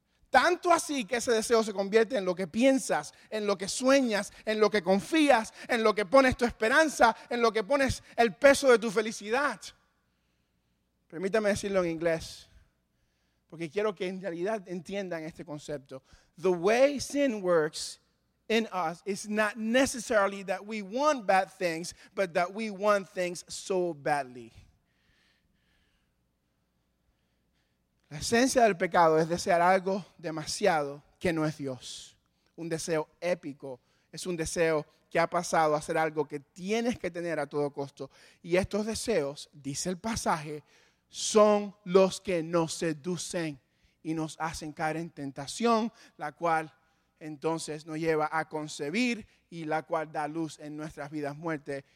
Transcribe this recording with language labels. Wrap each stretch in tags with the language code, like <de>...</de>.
<es>Tanto así que ese deseo se convierte en lo que piensas, en lo que sueñas, en lo que confías, en lo que pones tu esperanza, en lo que pones el peso de tu felicidad. Permítame decirlo en inglés, porque quiero que en realidad entiendan este concepto.</es> <en>The way sin works in us is not necessarily that we want bad things, but that we want things so badly.</en> <es>La esencia del pecado es desear algo demasiado que no es Dios. Un deseo épico es un deseo que ha pasado a ser algo que tienes que tener a todo costo. Y estos deseos, dice el pasaje, son los que nos seducen y nos hacen caer en tentación, la cual entonces nos lleva a concebir y la cual da luz en nuestras vidas muerte.</es>